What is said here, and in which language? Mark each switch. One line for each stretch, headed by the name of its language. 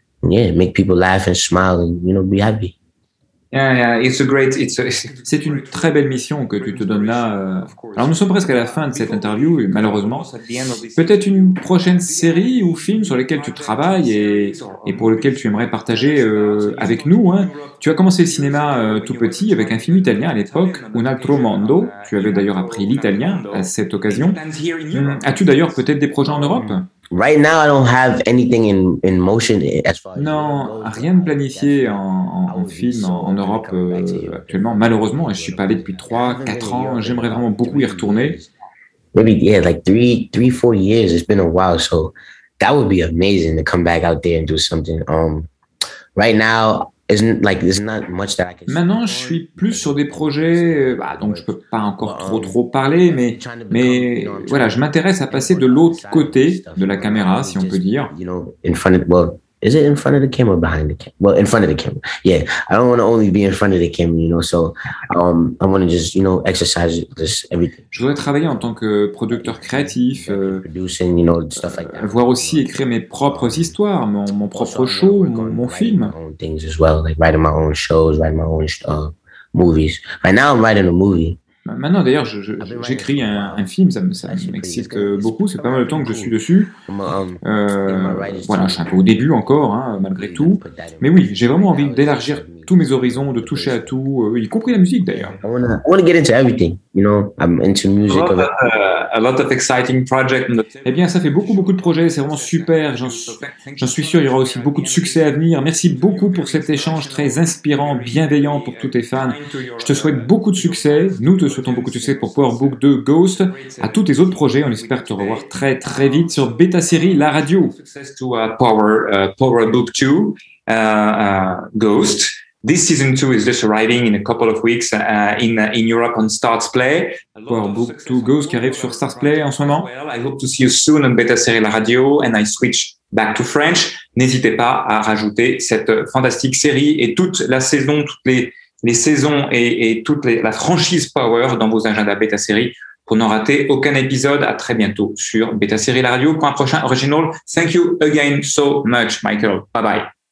English: Yeah, make people laugh and smile and, you know, be happy. Yeah,
French: c'est une très belle mission que tu te donnes là. Alors nous sommes presque à la fin de cette interview, et malheureusement. Peut-être une prochaine série ou film sur lequel tu travailles et pour lequel tu aimerais partager avec nous. Hein. Tu as commencé le cinéma tout petit avec un film italien à l'époque, Un altro mondo. Tu avais d'ailleurs appris l'italien à cette occasion. As-tu d'ailleurs peut-être des projets en Europe?
English: Right now, I don't have anything in motion as far as.
French: Non, rien de planifié en film en Europe actuellement. Malheureusement, je suis pas allé depuis 3-4 ans. J'aimerais vraiment beaucoup y retourner.
English: Maybe yeah, like 3-4 years. It's been a while, so that would be amazing to come back out there and do something. Right now, isn't like there's not much that I can.
French: Maintenant, je suis plus sur des projets. Donc je peux pas encore trop parler, mais voilà, je m'intéresse à passer de l'autre côté de la caméra, si on peut dire.
English: You know, in front of, well, is it in front of the camera or behind the camera? Well, in front of the camera. Yeah, I don't want to only be in front of the camera, you know. So I want to just, you know, exercise this everything.
French: Je voudrais travailler en tant que producteur créatif,
English: producing, you know, stuff like that.
French: Voir aussi écrire mes propres histoires, mon propre show, mon film.
English: Things as well, like writing my own shows, writing my own movies. Right now, I'm writing a movie.
French: Maintenant, d'ailleurs, j'écris un film, ça m'excite beaucoup, c'est pas mal le temps que je suis dessus. Voilà, je suis un peu au début encore, hein, malgré tout. Mais oui, j'ai vraiment envie d'élargir tous mes horizons, de toucher à tout, y compris la musique d'ailleurs.
English: I want to get into everything, you know. I'm into music. A lot of exciting projects.
French: Eh bien, ça fait beaucoup de projets. C'est vraiment super. J'en suis sûr, il y aura aussi beaucoup de succès à venir. Merci beaucoup pour cet échange très inspirant, bienveillant pour tous tes fans. Je te souhaite beaucoup de succès. Nous te souhaitons beaucoup de succès pour Power Book 2 Ghost. À tous tes autres projets, on espère te revoir très vite sur Beta Série, la radio.
English: Success to Power Book 2. Ghost. This season 2 is just arriving in a couple of weeks in Europe on Starz Play.
French: Power Book 2 Ghost qui arrive sur Starz Play en ce moment.
English: I hope to see you soon on Beta Série La Radio and I switch back to French.
French: N'hésitez pas à rajouter cette fantastique série et toute la saison, toutes les saisons et toute la franchise Power dans vos agendas Beta Série pour n'en rater aucun épisode. À très bientôt sur Beta Série La Radio pour un prochain original.
English: Thank you again so much, Michael. Bye bye.